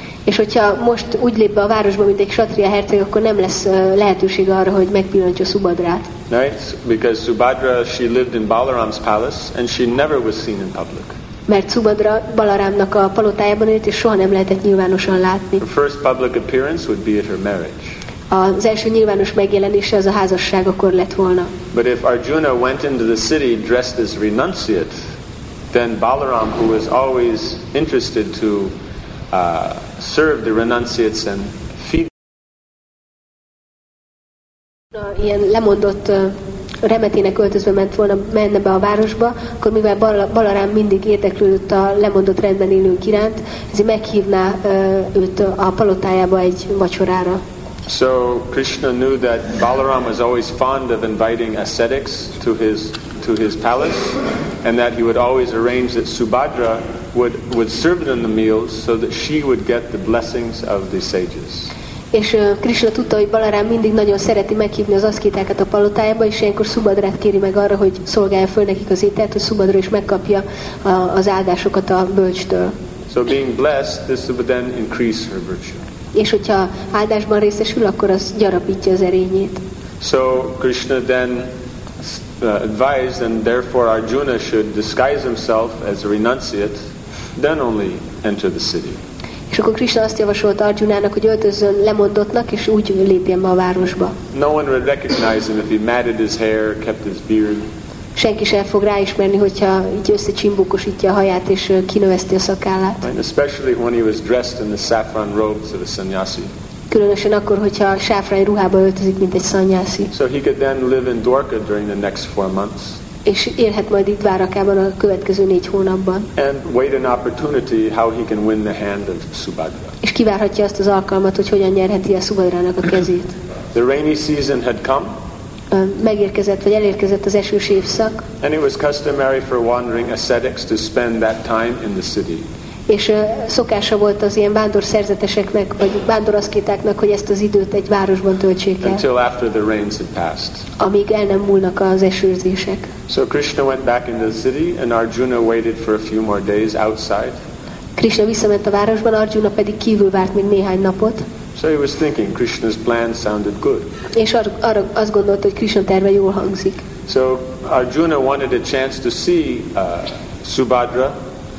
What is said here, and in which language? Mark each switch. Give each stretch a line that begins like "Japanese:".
Hungarian: És hogyha most úgy lép be a városba, mint egy Kshatriya herceg, akkor nem lesz lehetőség arra, hogy megpillantja Subhadrát.
English: Right? Because Subhadra, she lived in Balaram's palace, and she never was seen in public.
Hungarian: Mert Subhadra Balarámnak a palotájában élt, és soha nem lehetett nyilvánosan látni.
English: Her first public appearance would be at her marriage.
Hungarian: Az első nyilvános megjelenése az a házasság akkor lett volna.
English: But if Arjuna went into the city dressed as renunciate, then Balaram, who was always interested to serve the renunciates and feed
Hungarian: ilyen lemondott remetének öltözve ment volna, menne be a városba, akkor mivel Balaram mindig érdeklődött a lemondott rendben élők iránt, ezért meghívná őt a palotájába egy vacsorára.
English: So Krishna knew that Balaram was always fond of inviting ascetics to his palace, and that he would always arrange that Subhadra would serve them the meals so that she would get the blessings of the sages.
Hungarian: És Krishna tudta, hogy Balaram mindig nagyon szereti meghívni az aszkétákat a palotájába, és ilyenkor Subhadrát kéri meg arra, hogy szolgálja föl nekik az ételt, hogy Subhadra is megkapja az áldásokat a bölcstől.
English: So being blessed, this would then increase her virtue.
Hungarian: És hogyha áldásban részesül, akkor az gyarapítja az erényét.
English: So Krishna then advised, and therefore Arjuna should disguise himself as a renunciate, then only enter the city.
Hungarian: És akkor Krishna azt javasolta Arjunának, hogy öltözzön lemondottnak, és úgy lépjen be a városba.
English: No one would recognize him if he matted his hair, kept his beard.
Hungarian: Senki sem fog ráismerni, hogyha így összecsimbókosítja a haját és kinöveszti a szakállát.
English: And especially when he was dressed in the saffron robes of a sannyasi.
Hungarian: Különösen akkor, hogyha sáfrány ruhába öltözik, mint egy sannyasi.
English: So he could then live in Dvarka during the next 4 months.
Hungarian: És élhet majd itt Dvarakában a következő 4 hónapban.
English: And wait an opportunity how he can win the hand of Subhadra.
Hungarian: És kivárhatja azt az alkalmat, hogy hogyan nyerheti a Subhadrának a kezét.
English: The rainy season had come.
Hungarian: Megérkezett vagy elérkezett az esős évszak.
English: And it was customary for wandering ascetics to spend that time in the city.
Hungarian: És szokása volt az ilyen vándor szerzeteseknek vagy vándor aszkétáknak, hogy ezt az időt egy városban töltsék el.
English: Until after the rains had passed.
Hungarian: Amíg el nem múlnak az esőzések.
English: So Krishna went back into the city, and Arjuna waited for a few more days outside.
Hungarian: Krishna visszament a városban, Arjuna pedig kívül várt még néhány napot.
English: So he was thinking Krishna's plan sounded good.
Hungarian: És arra azt gondolta, hogy Krishna terve jól hangzik.
English: So Arjuna wanted a chance to see Subhadra.